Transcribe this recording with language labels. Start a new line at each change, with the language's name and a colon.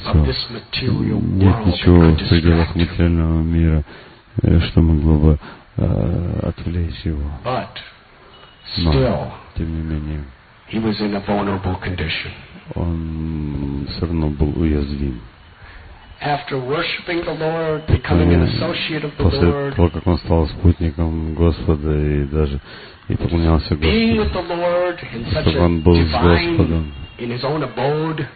English: Yet there was nothing of this material world that could distract him. But still, he was in a vulnerable condition.
Russian: Он все равно был уязвим.
English: After worshiping the Lord, becoming an associate of the Lord,
Russian: после того как он стал спутником Господа и даже и поклонялся Господу,
English: being with the Lord in such a divine, in his own abode,